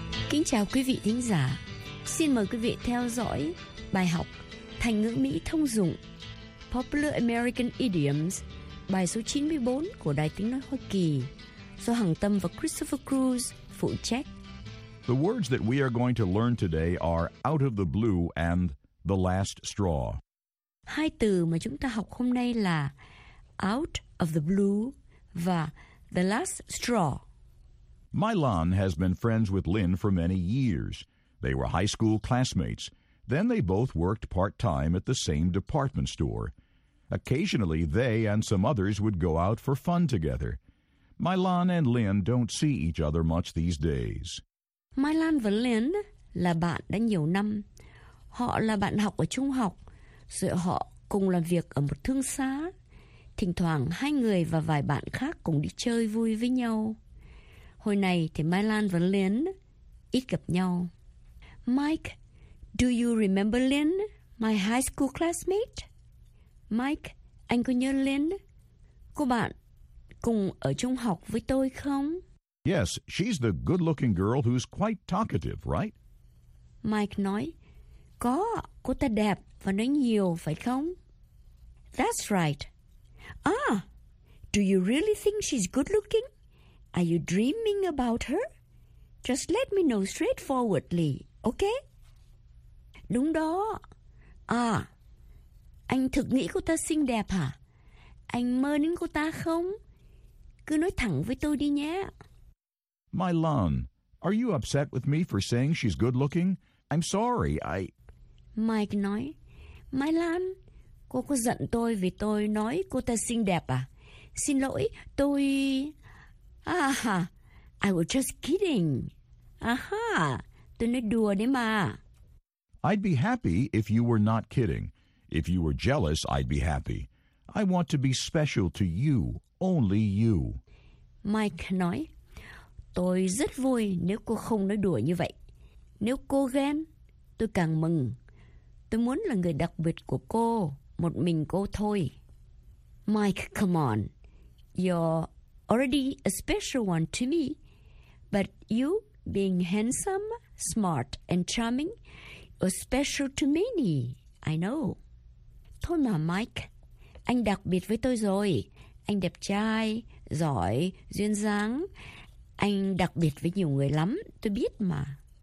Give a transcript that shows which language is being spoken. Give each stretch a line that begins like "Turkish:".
Vietnamese: Kính chào quý vị thính giả, xin mời quý vị theo dõi bài học Thành ngữ Mỹ thông dụng
English: Popular American Idioms,
Vietnamese: bài số 94 của Đài Tiếng Nói Hoa Kỳ, do Hằng Tâm và Christopher Cruz phụ trách.
English: The words that we are going to learn today are out of the blue and the last straw.
Vietnamese: Hai từ mà chúng ta học hôm nay là
English: out of the blue
Vietnamese: và
English: the last straw. Mylan has been friends with Lynn for many years. They were high school classmates. Then they both worked part-time at the same department store. Occasionally, they and some others would go out for fun together. Mylan and Lynn don't see each other much these days.
Vietnamese: Mylan và Lynn là bạn đã nhiều năm. Họ là bạn học ở trung học, rồi họ cùng làm việc ở một thương xá. Thỉnh thoảng, hai người và vài bạn khác cùng đi chơi vui với nhau. Hồi này thì Mylan và Lynn ít gặp nhau.
English: Mike, do you remember Lynn, my high school classmate?
Vietnamese: Mike, anh có nhớ Lynn, cô bạn cùng ở trung học với tôi không?
English: Yes, she's the good-looking girl who's quite talkative, right?
Vietnamese: Mike nói, có, cô ta đẹp và nói nhiều, phải không?
English: That's right. Ah, do you really think she's good-looking? Are you dreaming about her? Just let me know straightforwardly, okay?
Vietnamese: Đúng đó. À, anh thực nghĩ cô ta xinh đẹp hả? Anh mơ đến cô ta không? Cứ nói thẳng với tôi đi nhé.
English: Mylan, are you upset with me for saying she's good looking? I'm sorry, I...
Vietnamese: Mike nói, Mylan, cô có giận tôi vì tôi nói cô ta xinh đẹp à? Xin lỗi, tôi...
English: I was just kidding.
Vietnamese: Aha, tôi nói đùa đấy mà.
English: I'd be happy if you were not kidding. If you were jealous, I'd be happy. I want to be special to you, only you.
Vietnamese: Mike nói, tôi rất vui nếu cô không nói đùa như vậy. Nếu cô ghen, tôi càng mừng. Tôi muốn là người đặc biệt của cô, một mình cô thôi.
English: Mike, come on. You're already a special one to me, but you, being handsome, smart, and charming, are special to many, I know.
Vietnamese: Thôi mà Mike, anh đặc biệt với tôi rồi. Anh đẹp trai, giỏi, duyên dáng. Anh đặc biệt với nhiều người lắm, tôi biết mà.